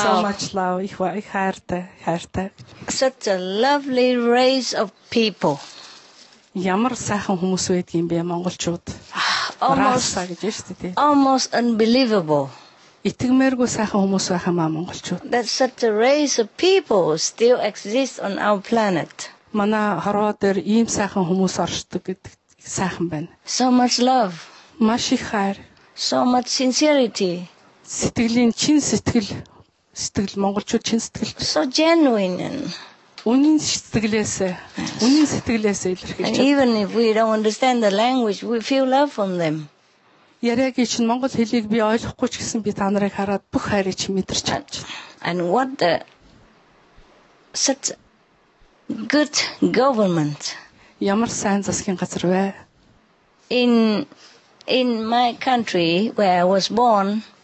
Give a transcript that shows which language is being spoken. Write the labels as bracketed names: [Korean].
[English] So much love. [Mongolian] Их хайртай. [English] Such a lovely race of people. [Mongolian] Ямар сайхан хүмүүс байдаг юм бэ монголчууд. [English] Almost unbelievable. [Mongolian] Итгэмээргүй сайхан хүмүүс байх юм аа монголчууд. [English] That such a race of people still exists on our planet. [Mongolian] Манай хорвоо дээр ийм сайхан хүмүүс оршдог гэдэг сайхан байна. [English] So much love. [Mongolian] Маш их хайр. [English] So much sincerity. [Mongolian] Сэтгэлийн чин сэтгэл. Сэтгэл монголчууд чин сэтгэл. [English] So genuine. [Mongolian] Үнэн сэтгэлээсээ. Үнэн сэтгэлээсээ илэрхийлж. [English] Even if we don't understand the language, we feel love from them. [Mongolian] Яриаг чинь монгол хэлийг би ойлгохгүй ч гэсэн би та нарыг хараад бүх хайрыг чинь мэдэрч байна. [English] And what the such good government. [Mongolian] Ямар сайн засгийн газар вэ? [English] In my country where I was born.